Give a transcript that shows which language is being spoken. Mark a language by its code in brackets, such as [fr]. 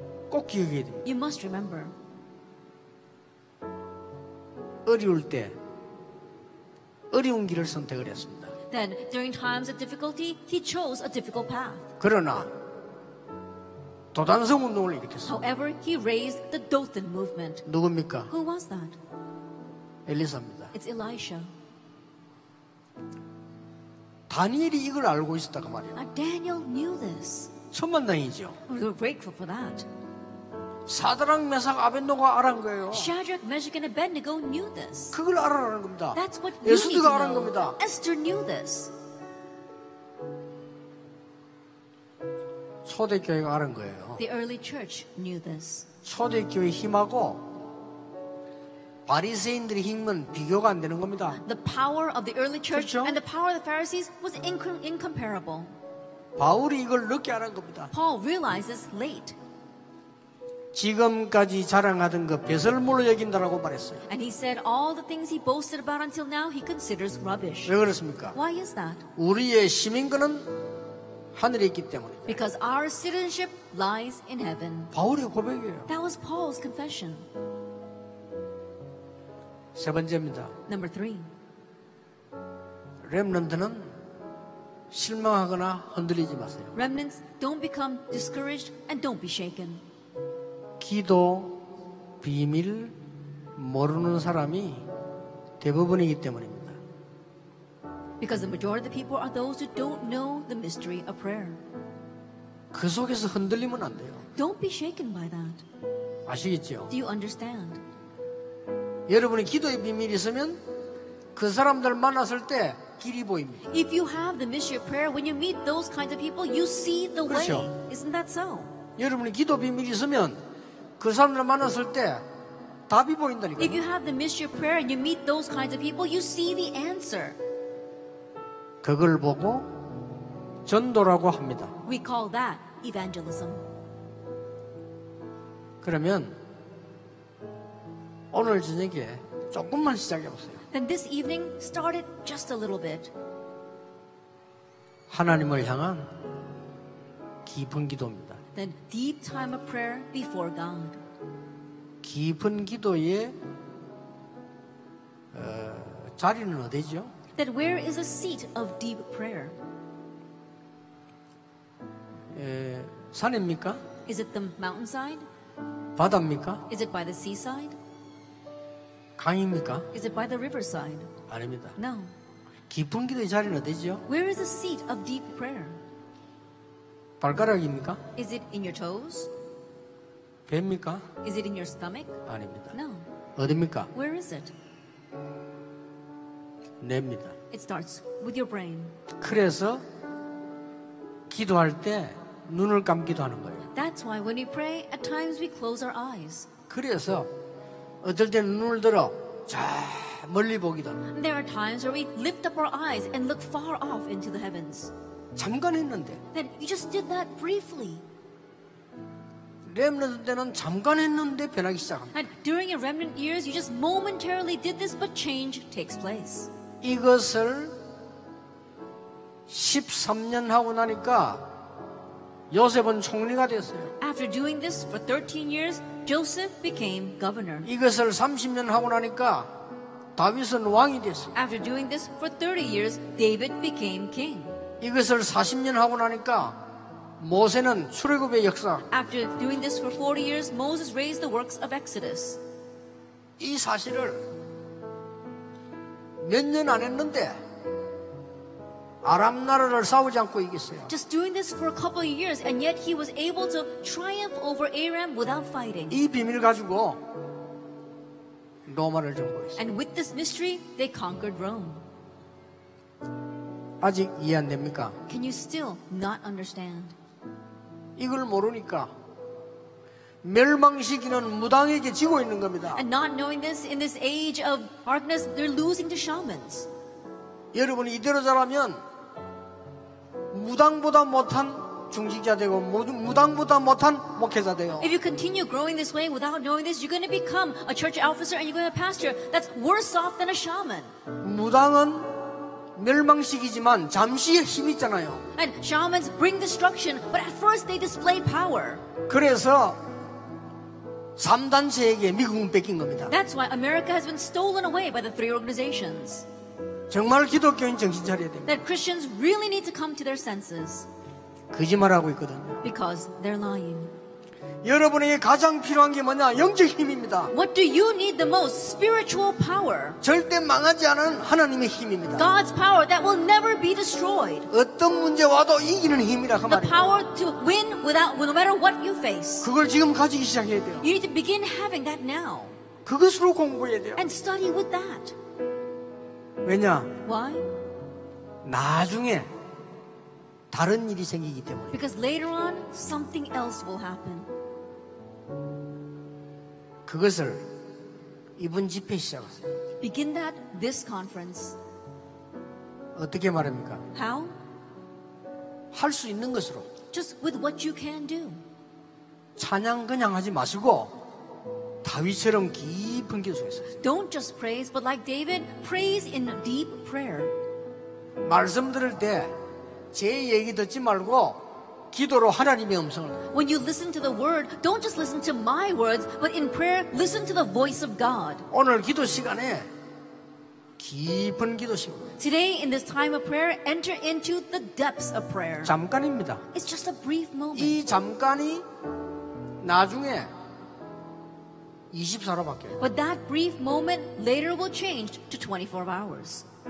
[ko] 꼭 기억해야 돼요. [en] You must remember. [ko] 어려울 때 어려운 길을 선택을 했습니다. [en] Then during times of difficulty, he chose a difficult path. [ko] 그러나 도단성 운동을 일으켰습니다. [en] However, he raised the Dothan movement. [ko] 누굽니까? [en] Who was that? [ko] 엘리사입니다. [en] It's Elisha. [ko] 다니엘이 이걸 알고 있었다고 말해요. [en] Now, Daniel knew this. [ko] 첫 만남이죠. [en] We were grateful for that. [ko] 사드락 메삭 아벤노가 알은 거예요. [en] Shadrach, Meshach, and Abednego knew this. [ko] 그걸 알아라는 겁니다. [en] That's what you [ko] 예수드가 [en] need to [ko] 알은 겁니다. [en] Esther knew this. [ko] 초대교회가 알은 거예요. [en] The early church knew this. [ko] 초대교회 힘하고 바리새인들의 힘은 비교가 안 되는 겁니다. [en] The power of the early church [ko] 그렇죠? [en] and the power of the Pharisees was incomparable. [ko] 바울이 이걸 늦게 알은 겁니다. [en] Paul realizes late. [ko] 지금까지 자랑하던 것 배설물로 여긴다라고 말했어요. [en] And he said all the things he boasted about until now he considers rubbish. [ko] 왜 그렇습니까? [en] Why is that? [ko] 우리의 시민권은 하늘에 있기 때문입니다. [en] Because our citizenship lies in heaven. [ko] 바울의 고백이에요. [en] That was Paul's confession. [ko] 세 번째입니다. [en] Number three. [ko] 렘넌트는 실망하거나 흔들리지 마세요. [en] Remnants, don't become discouraged and don't be shaken. [ko] 기도 비밀 모르는 사람이 대부분이기 때문입니다. [en] Because the majority of the people are those who don't know the mystery of prayer. [ko] 그 속에서 흔들리면 안 돼요. [en] Don't be shaken by that. [ko] 아시겠죠? [en] Do you understand? [ko] 여러분이 기도의 비밀이 있으면 그 사람들 만났을 때 길이 보입니다. [en] If you have the mystery of prayer, when you meet those kinds of people, you see the [ko] 그렇죠? [en] way. Isn't that so? [ko] 여러분이 기도 비밀이 있으면 그 사람들 만났을 때 답이 보인다니까. [en] If you have the mystery of prayer and you meet those kinds of people, you see the answer. [ko] 그걸 보고 전도라고 합니다. [en] We call that evangelism. [ko] 그러면 오늘 저녁에 조금만 시작해 보세요. [en] Then this evening started just a little bit. [ko] 하나님을 향한 깊은 기도입니다. [en] The deep time of prayer before God. [ko] 깊은 기도의 자리는 어디죠? [en] That where is a seat of deep prayer? [ko] 산입니까? [en] Is it the mountainside? [ko] 바다입니까? [en] Is it by the seaside? [ko] 강입니까? [en] Is it by the riverside? [ko] 아닙니다. [en] No. [ko] 깊은 기도의 자리는 어디죠? [en] Where is a seat of deep prayer? [ko] 발가락입니까? [en] Is it in your toes? [ko] 배입니까? [en] Is it in your stomach? [ko] 아닙니다. [en] No. [ko] 어디입니까? [en] Where is it? [ko] 뇌입니다. [en] It starts with your brain. [ko] 그래서 기도할 때 눈을 감기도 하는 거예요. [en] That's why when we pray, at times we close our eyes. [ko] 그래서 어떨 때 눈을 들어 자 멀리 보기도. [en] There are times where we lift up our eyes and look far off into the heavens. [ko] 잠깐 했는데. [en] Then you just did that briefly. [ko] 렘넌트 때는 잠깐 했는데 변하기 시작합니다. [en] And during your remnant years, you just momentarily did this, but change takes place. [ko] 이것을 13년 하고 나니까 요셉은 총리가 됐어요. [en] After doing this for 13 years, Joseph became governor. [ko] 이것을 30년 하고 나니까 다윗은 왕이 됐어요. [en] After doing this for 30 years, David became king. [ko] 이것을 40년 하고 나니까 모세는 출애굽의 역사. [en] After doing this for 40 years, Moses raised the works of Exodus. [ko] 이 사실을 몇 년 안 했는데 아람 나라를 싸우지 않고 이겼어요. [en] Just doing this for a couple of years and yet he was able to triumph over Aram without fighting. [ko] 이 비밀 가지고 로마를 정복했어요. [en] And with this mystery they conquered Rome. [ko] 아직 이해 안 됩니까? [en] Can you still not understand? [ko] 이걸 모르니까 멸망시키는 무당에게 지고 있는 겁니다. [en] And not knowing this in this age of darkness they're losing to shamans. [ko] 여러분 이대로 자라면 무당보다 못한 중직자 되고 무당보다 못한 목회자 돼요. [en] If you continue growing this way without knowing this, you're going to become a church officer and you're going to be a pastor. That's worse off than a shaman. [ko] 무당은 멸망시키지만 잠시의 힘 있잖아요. [en] And shamans bring destruction, but at first they display power. [ko] 그래서 3단체에게 미국은 뺏긴 겁니다. [en] That's why America has been stolen away by the three organizations. [ko] 정말 기독교인 정신 차려야 됩니다. [en] That Christians really need to come to their senses. [ko] 거짓말하고 있거든. [en] Because they're lying. [ko] 여러분에게 가장 필요한 게 뭐냐? 영적 힘입니다. [en] What do you need the most? Spiritual power. [ko] 절대 망하지 않은 하나님의 힘입니다. [en] God's power that will never be destroyed. [ko] 어떤 문제 와도 이기는 힘이라 그 말이에요. [en] The power to win without no matter what you face. [ko] 그걸 지금 가지기 시작해야 돼요. [en] You need to begin having that now. [ko] 그것으로 공부해야 돼요. [en] And study with that. [ko] 왜냐? [en] Why? [ko] 나중에 다른 일이 생기기 때문에. [en] Because later on something else will happen. [ko] 그것을 이번 집회 시작하세요. [en] Begin that this conference. [ko] 어떻게 말합니까? [en] How? [ko] 할 수 있는 것으로. [en] Just with what you can do. [ko] 찬양 그냥 하지 마시고 다윗처럼 깊은 기도에서. [en] Don't just praise, but like David, praise in deep prayer. [ko] 말씀 들을 때 제 얘기 듣지 말고 기도로 하나님의 음성을. [en] When you listen to the word, don't just listen to my words, but in prayer, listen to the voice of God. [ko] 오늘 기도 시간에 깊은 기도 시간. [en] Today, in this time of prayer, enter into the depths of prayer. [ko] 잠깐입니다. [en] It's just a brief moment. [ko] 이 잠깐이 나중에. 24로 바뀌어요. [en] But that brief moment later will change to 24 hours.